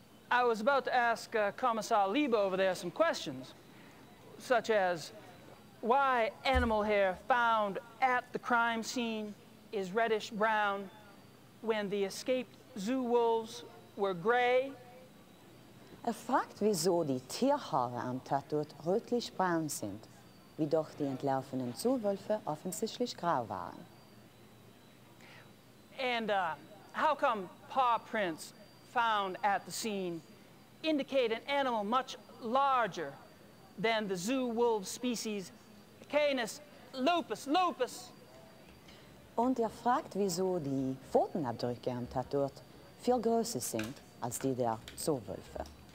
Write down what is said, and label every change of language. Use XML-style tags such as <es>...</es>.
<en>I was about to ask Commissar Lieber over there some questions, such as why animal hair found at the crime scene is reddish brown when the escaped zoo wolves were gray.</en> <de>Er fragt, wieso die Tierhaare am Tatort rötlich braun sind, wie doch die entlaufenen Zoowölfe offensichtlich grau waren.</de> <en>And how come paw prints found at the scene indicate an animal much larger than the zoo wolf species Canis lupus lupus?</en> <de>Und er fragt, wieso die Pfotenabdrücke am Tatort viel größer sind als die der Zoowölfe.</de>